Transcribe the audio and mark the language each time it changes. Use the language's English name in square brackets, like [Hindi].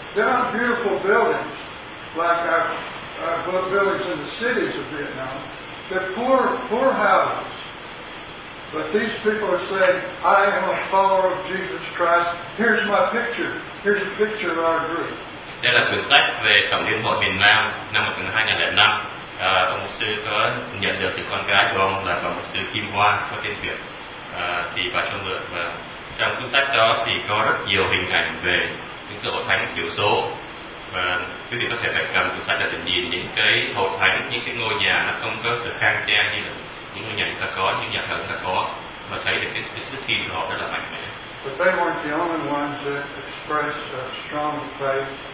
[English] They're not beautiful buildings like our buildings in the cities of Vietnam. They're poor houses. But these people are saying, I am a follower of Jesus Christ. Here's my picture. Here's a picture of our group. [Vietnamese] Đây là quyển sách về tổng liên hội miền Nam năm 2005. Ông sư có nhận được từ con gái của ông là ông sư Kim Hoa có tên Việt. Thì bà cho mượn và trong cuốn sách đó thì có rất nhiều hình ảnh về những cái hội thánh thiểu số. Và quý vị có thể phải cầm cuốn sách để nhìn những cái hội thánh, những cái ngôi nhà nó không có được khang trang như là những ngôi nhà chúng ta có, những nhà thờ chúng ta có, mà thấy được cái đức tin của họ rất là mạnh mẽ. [English] But they weren't the only ones that expressed a strong faith.